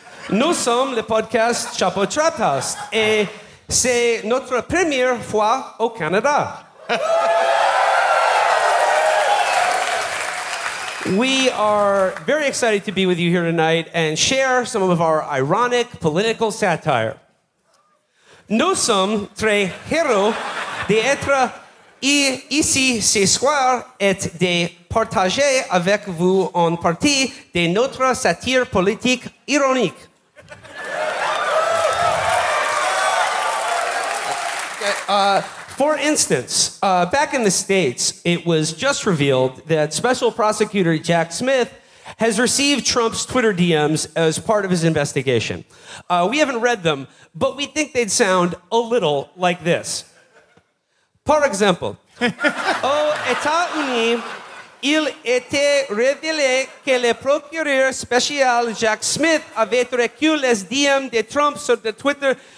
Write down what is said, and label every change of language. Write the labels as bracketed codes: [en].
[fr] Nous sommes le podcast Chapo Trap House, et c'est notre première fois au Canada. [en] We are very excited to be with you here tonight and share some of our ironic political satire. [fr] Nous sommes très heureux d'être ici ce soir et de partager avec vous une partie de notre satire politique ironique. [en] For instance, back in the States, it was just revealed that Special Prosecutor Jack Smith has received Trump's Twitter DMs as part of his investigation. We haven't read them, but we think they'd sound a little like this. [fr] Par exemple, aux États-Unis, il était révélé que le procureur spécial Jack Smith avait reçu les DMs de Trump sur de Twitter.